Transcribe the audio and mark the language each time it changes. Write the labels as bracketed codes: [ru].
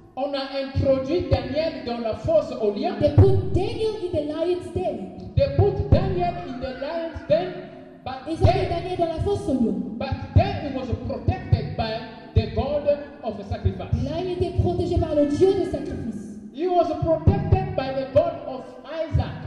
[fr] on a introduit Daniel dans la fosse au lion. [en] They put Daniel in the lion's den. They put Daniel in the lion's den, but [fr] ils ont mis Daniel dans la fosse au lion. [en] But then he was protected by the God of sacrifice. [fr] Là, il était protégé par le Dieu de sacrifice. [en] He was protected by the God of Isaac.